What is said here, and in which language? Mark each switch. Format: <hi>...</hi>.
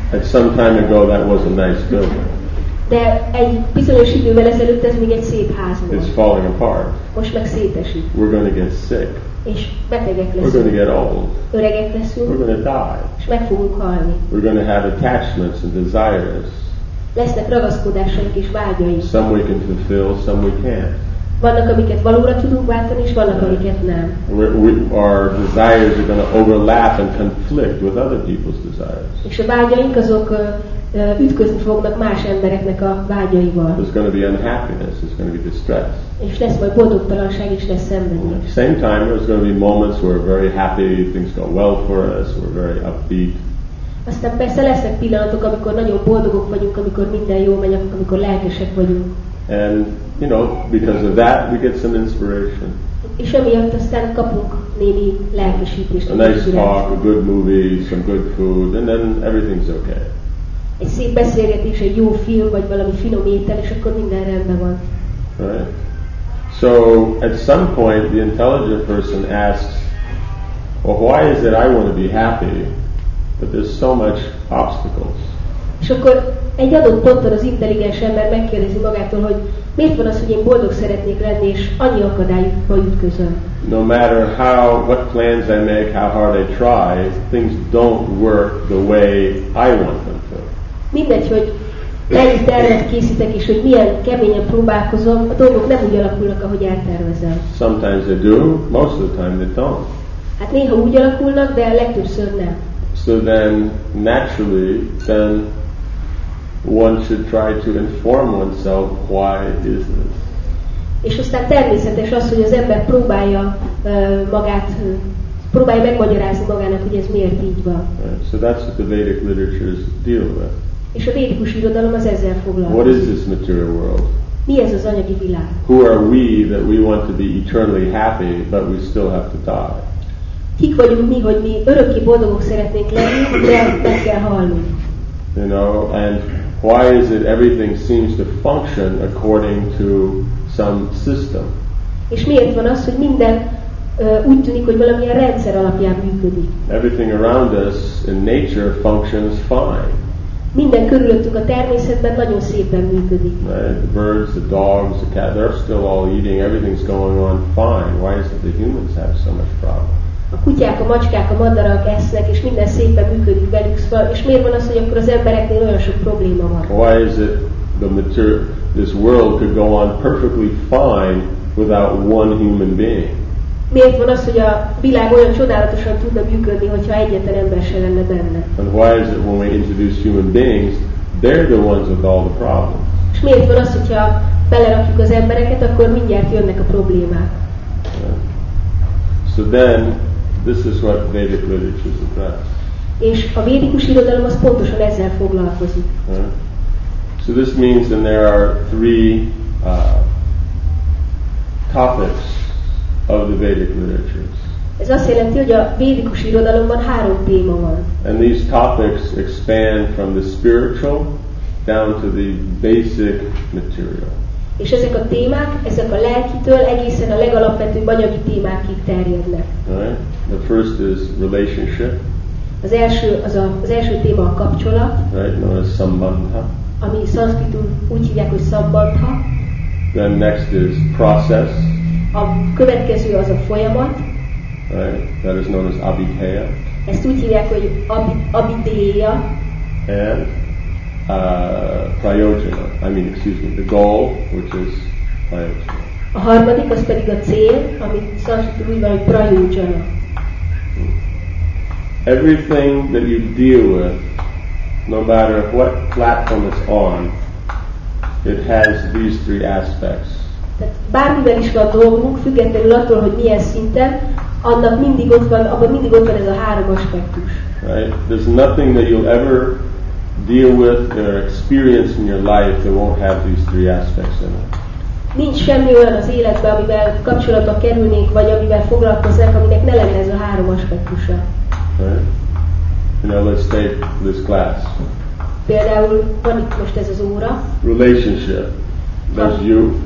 <en>At some time ago that was a nice building.</en> <hu>De egy bizonyos idővel ezelőtt ez még egy szép ház volt.</hu> <en>It's falling apart.</en> <hu>Most meg szétesik.</hu> <en>We're going to get sick.</en> <hu>És betegek leszünk.</hu> <en>We're going to get old.</en> <hu>Öregek leszünk.</hu> <en>We're going to die.</en> <hu>És meg fogunk halni.</hu> <en>We're going to have attachments and desires.</en> <hu>Lesznek ragaszkodásaink és vágyaink.</hu> <en>Some we can fulfill, some we can't.</en> <hu>Vannak, amiket valóra tudunk váltani, és vannak, amiket nem.</hu> <en>Our desires are going to overlap and conflict with other people's desires.</en> <hu>És a vágyaink azok ütközni fognak más embereknek a vágyaival.</hu> <en>There's going to be unhappiness, there's going to be distress.</en> <hu>És lesz majd boldogtalanság, és lesz szenvedés.</hu> <en>At the same time, there's going to be moments where we're very happy, things go well for us, we're very upbeat.</en> <hu>Aztán persze lesznek pillanatok, amikor nagyon boldogok vagyunk, amikor minden jól megy, amikor lelkesek vagyunk.</hu> <en>And, you know, because of that, we get some inspiration.</en> <hu>És emiatt aztán kapunk némi lelkesítést.</hu> <en>A nice talk, a good movie, some good food, and then everything's okay.</en> <hu>Egy szép beszélgetés, egy jó film, vagy valami finom étel, és akkor minden rendben van.</hu> <en>Right. So, at some point, the intelligent person asks, well, why is it I want to be happy, but there's so much obstacles?</en> <hu>És akkor egy adott ponton az intelligens ember megkérdezi magától, hogy miért van az, hogy én boldog szeretnék lenni, és annyi akadályba ütközöm.</hu> <en>No matter how, what plans I make, how hard I try, things don't work the way I want them to.</en> <hu>Mindegy, hogy mennyi tervet készítek, és hogy milyen keményen próbálkozom, a dolgok nem úgy alakulnak, ahogy eltervezem.</hu> <en>Sometimes they do, most of the time they don't.</en> <hu>Hát néha úgy alakulnak, de legtöbbször nem.</hu> <en>So then, naturally, then one should try to inform oneself why it is this.</en> <hu>És aztán természetes az, hogy az ember próbálja magát, próbálja megmagyarázni magának, hogy ez miért így van.</hu> <en>Right. So that's what the Vedic literature is dealing with.</en> <hu>És a védikus irodalom az ezzel foglalkozik.</hu> <en>What is this material world?</en> <hu>Mi ez az anyagi világ?</hu> <en>Who are we that we want to be eternally happy, but we still have to die?</en> <hu>Kik vagyunk mi, hogy mi örökké boldogok szeretnénk lenni, de meg kell halni?</hu> <en>You know, and why is it everything seems to function according to some system?</en> <hu>És miért van az, hogy minden úgy tűnik, hogy valamilyen rendszer alapján működik?</hu> <en>Everything around us in nature functions fine.</en> <hu>Minden körülöttünk a természetben nagyon szépen működik.</hu> <en>Right? The birds, the dogs, the cats, they're still all eating, everything's going on fine. Why is it the humans have so much problem?</en> <hu>a kutyák, a macskák, a madarak esznek, és minden szépen működik velük, szóval, és miért van az, hogy akkor az embereknél olyan sok probléma van?</hu> <en>Why is it the material, this world could go on perfectly fine without one human being?</en> <hu>Miért van az, hogy a világ olyan csodálatosan tudna működni, hogyha egyetlen ember sem lenne benne?</hu> <en>And why is it when we introduce human beings, they're the ones with all the problems?</en> <hu>És miért van az, hogyha belerakjuk az embereket, akkor mindjárt jönnek a problémák?</hu> <en>So then, this is what Vedic literature is about.</en> <hu>És a védikus irodalom az pontosan ezzel foglalkozik.</hu> <en>So this means that there are three topics of the Vedic literatures.</en> <hu>Ez azt jelenti, hogy a védikus irodalomban három téma van.</hu> <en>And these topics expand from the spiritual down to the basic material.</en> <hu>És ezek a témák, ezek a lelkitől egészen a legalapvetőbb anyagi témákig terjednek.</hu> <en>Right. The first is relationship.</en> <hu>Az első az a az első téma a kapcsolat.</hu> <en>Right. No, it's sambandha.</en> <hu>Ami szanszkritul úgy hívják, hogy sambandha.</hu> <en>Then next is process.</en> <hu>A következő az a folyamat.</hu> <en>Right. That is known as abhidhaya.</en> <hu>Ezt úgy hívják, hogy abhidhaya.</hu> <en>And prayojana. I mean, excuse me, the goal, which is prayojana.</en> <hu>A harmadik az pedig a cél, amit szanszkritul úgy van, hogy prayojana.</hu> <en>Everything that you deal with, no matter what platform it's on, it has these three aspects.</en> <hu>Tehát bármivel is van dolgunk, függetlenül attól, hogy milyen szinten, annak mindig ott van, abban mindig ott van ez a három aspektus.</hu> <en>Right? There's nothing that you'll ever deal with or experience in your life that won't have these three aspects in it.</en> <hu>Nincs semmi olyan az életben, amivel kapcsolatba kerülnénk, vagy amivel foglalkoznánk, aminek ne lenne ez a három aspektusa.</hu> <en>You know, let's take this class.</en> <hu>Például van itt most ez az óra.</hu> <en>Relationship. There's you.</en>